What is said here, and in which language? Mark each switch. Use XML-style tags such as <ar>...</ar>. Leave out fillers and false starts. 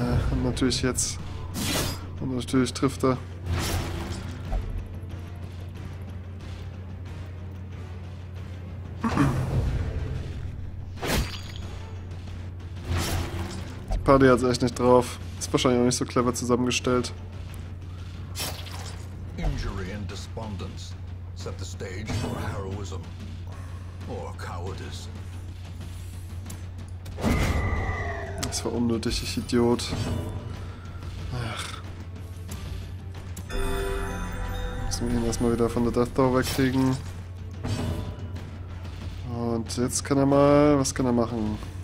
<de>Und natürlich jetzt. Und natürlich trifft er. Die Party hat es echt nicht drauf. Ist wahrscheinlich auch nicht so clever zusammengestellt.</de> <en>Injury and despondence. Set the stage for heroism or cowardice.</en> <de>Das war unnötig, ich Idiot. Ach. Müssen wir ihn erstmal wieder von der Death Door wegkriegen. Und jetzt kann er mal. Was kann er machen?</de>